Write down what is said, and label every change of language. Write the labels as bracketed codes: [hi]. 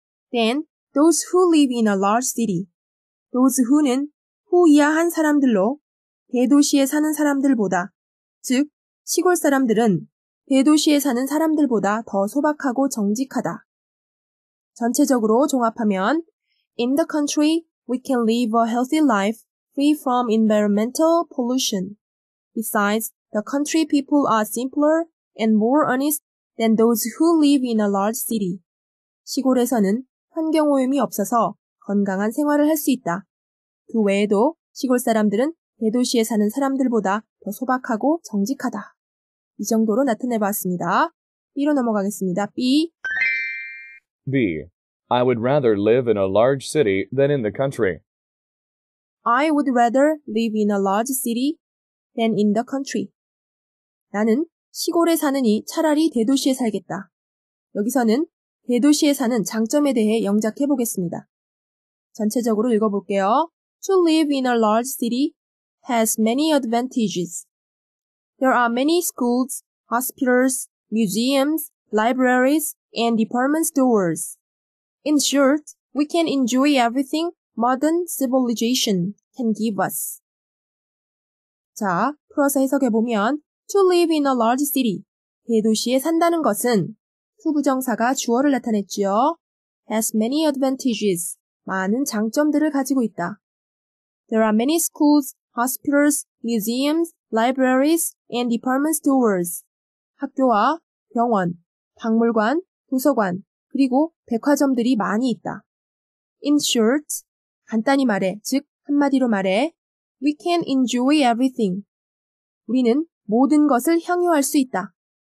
[en] Then, those who live in a large city. [ko] Those who는 who 이하한 사람들로 대도시에 사는 사람들보다, 즉 시골 사람들은 대도시에 사는 사람들보다 더 소박하고 정직하다. 전체적으로 종합하면 [en] In the country, we can live a healthy life free from environmental pollution. Besides, the country people are simpler and more honest than those who live in a large city. [ko] 시골에서는 환경오염이 없어서 건강한 생활을 할 수 있다. 그 외에도 시골 사람들은 대도시에 사는 사람들보다 더 소박하고 정직하다. 이 정도로 나타내봤습니다. B로 넘어가겠습니다. B. B. [en] I would rather live in a large city than in the country. I would rather live in a large city than in the country. [ko] 나는 시골에 사느니 차라리 대도시에 살겠다. 여기서는 대도시에 사는 장점에 대해 영작해 보겠습니다. 전체적으로 읽어볼게요. [en] To live in a large city has many advantages. There are many schools, hospitals, museums, libraries, and department stores. In short, we can enjoy everything modern civilization can give us. [ko] 자, 풀어서 해석해 보면 [en] To live in a large city, [ko] 대도시에 산다는 것은 to 부정사가 주어를 나타냈지요. [en] has many advantages, [ko] 많은 장점들을 가지고 있다. [en] There are many schools, hospitals, museums, libraries, and department stores. [ko] 학교와 병원, 박물관, 도서관, 그리고 백화점들이 많이 있다. [en] In short, [ko] 간단히 말해, 즉 한마디로 말해, [en] we can enjoy everything. [ko] 우리는 모든 것을 향유할 수 있다.